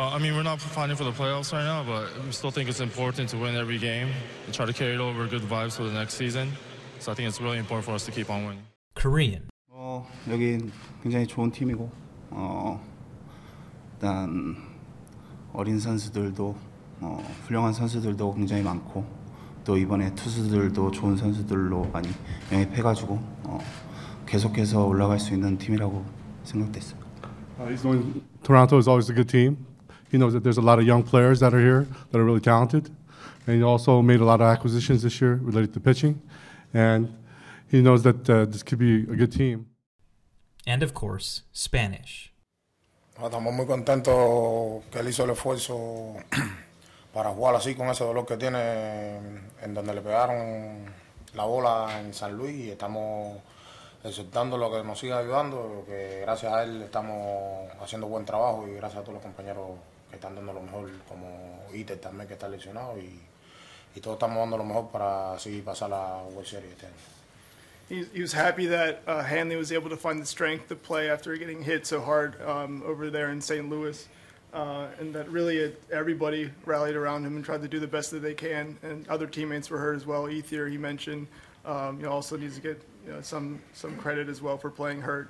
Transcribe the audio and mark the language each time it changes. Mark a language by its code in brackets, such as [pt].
[en] we're not fighting for the playoffs right now, but we still think it's important to win every game and try to carry it over good vibes for the next season. So, I think it's really important for us to keep on winning. Korean. [ko] Well, 여기 굉장히 좋은 팀이고, 일단 어린 선수들도 훌륭한 선수들도 굉장히 많고 또 이번에 투수들도 좋은 선수들로 많이 영입해가지고 계속해서 올라갈 수 있는 팀이라고 생각됐어요. [en] Toronto is always a good team. He knows that there's a lot of young players that are here that are really talented, and he also made a lot of acquisitions this year related to pitching, and he knows that this could be a good team. And of course, Spanish. [es] Estamos muy contentos que él hizo el esfuerzo para jugar así con ese dolor que tiene en donde le pegaron la bola en San Luis y estamos aceptando lo que nos siga ayudando, que gracias a él estamos haciendo buen trabajo y gracias a todos los compañeros que están dando lo mejor, como Iter también que está lesionado y todos estamos dando lo mejor para así pasar la World Series este año. [en] He was happy that Hanley was able to find the strength to play after getting hit so hard over there in St. Louis, and that really everybody rallied around him and tried to do the best that they can. And other teammates were hurt as well. Ether, he mentioned, also needs to get some credit as well for playing hurt.